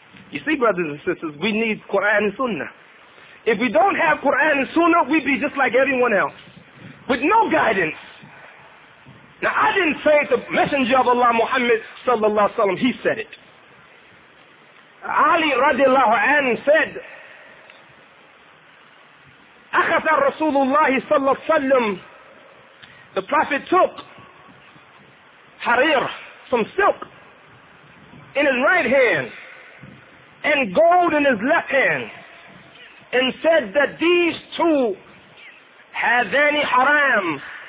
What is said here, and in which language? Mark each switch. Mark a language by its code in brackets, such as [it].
[en] You see, brothers and sisters, we need Quran and Sunnah. If we don't have Quran and Sunnah, we'd be just like everyone else, with no guidance. Now, I didn't say it, the Messenger of Allah, Muhammad sallallahu alaihi wasallam, he said it. Ali radiallahu anhu said, [ar] أَخَذَ رَسُولُ اللَّهِ صَلَّى اللَّهُ عَلَيْهِ وَسَلَّمَ. [en] The Prophet took harir, some silk, in his right hand, and gold in his left hand, and said that these two [ar] هَذَانِ حَرَامٌ.